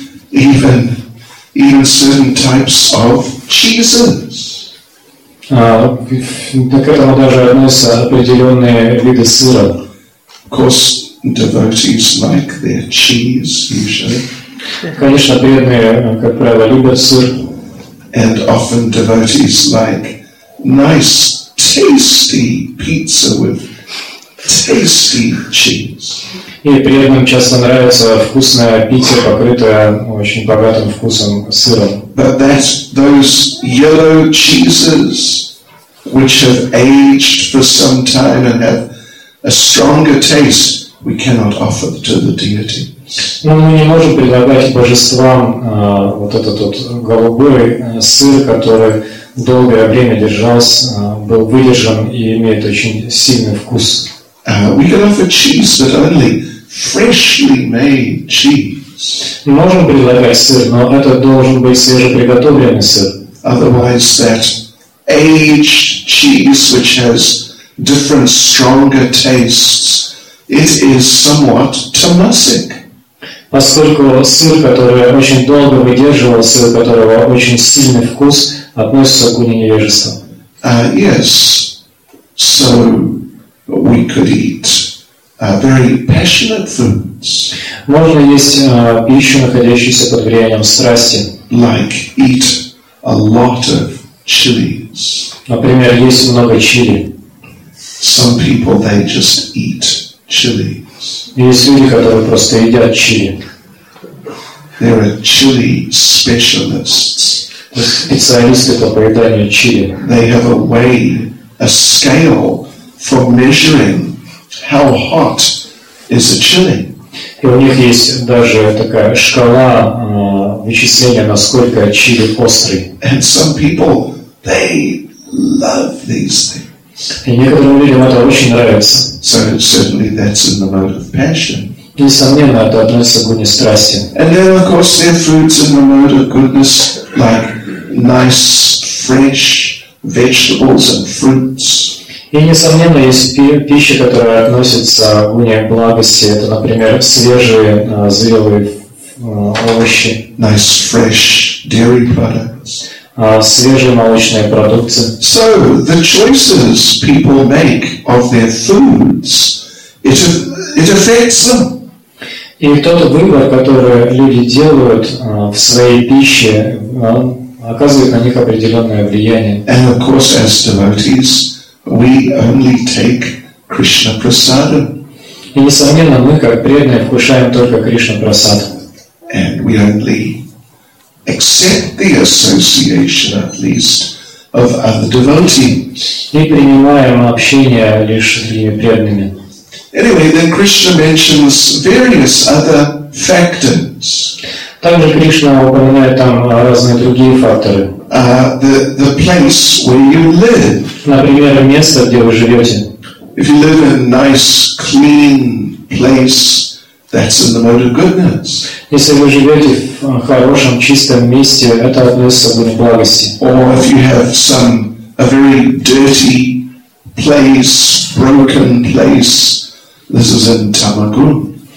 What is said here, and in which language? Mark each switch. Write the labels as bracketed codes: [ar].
[en] Even certain types of cheeses. [ru] Так это даже относятся определенные виды сыра. [en] Of course, devotees like their cheese, usually. [ru] Конечно, преданные, как правило, любят сыр. [en] And often devotees like nice tasty pizza with tasty cheese. [ru] И преданным часто нравится вкусная пицца, покрытая очень богатым вкусом сыром. [en] But that's those yellow cheeses, which have aged for some time and have a stronger taste, we cannot offer to the deities. [ru] Но мы не можем предлагать божествам вот этот вот голубой сыр, который долгое время держался, был выдержан и имеет очень сильный вкус. [en] We can offer cheese, but only freshly made cheese. [ru] Можем предлагать сыр, но это должен быть свежеприготовленный сыр. [en] Otherwise, that aged cheese, which has different stronger tastes, it is somewhat tamasic. [ru] Поскольку сыр, который очень долго выдерживал, сыр, у которого очень сильный вкус, относится к гуне невежества. [en] Yes, so we could eat very passionate foods. [ru] Можно есть пищу, находящуюся под влиянием страсти. [en] Like eat a lot of chilies. [ru] Например, есть много чили. [en] Some people, they just eat chilies. [ru] Есть люди, которые просто едят чили. [en] There are chili specialists. [ru] Специалисты по поеданию чили. [en] They have a way, a scale for measuring how hot is a chili. [ru] И у них есть даже такая шкала вычисления, насколько чили острый. [en] And some people, they love these things. [ru] И некоторым людям это очень нравится. [en] So certainly that's in the mode of passion. [ru] Несомненно, это относится к гуне страсти. [en] And then, of course, there are fruits in the mode of goodness, like nice, fresh vegetables and fruits. [ru] И, несомненно, есть пища, которая относится к гуне благости. Это, например, свежие, зрелые овощи. [en] Nice, fresh dairy products. [ru] Свежие молочные продукты. [en] So, the choices people make of their foods, it affects them. [ru] И тот выбор, который люди делают в своей пище, оказывает на них определенное влияние. [en] And of course, as devotees, we only take Krishna prasada. [ru] И несомненно, мы как преданные вкушаем только Кришна прасад. [en] And we only accept the association, at least, of other devotees. [ru] И принимаем общение лишь с преданными. [en] Anyway, then Krishna mentions various other factors. [ru] Также Кришна упоминает там разные другие факторы. [en] the place where you live. [ru] Например, место, где вы живете. [en] If you live in a nice, clean place, that's an abode of goodness. [ru] Если вы живете в хорошем, чистом месте, это относится к благости. [en] Or if you have a very dirty place, broken place, this is in tamagun.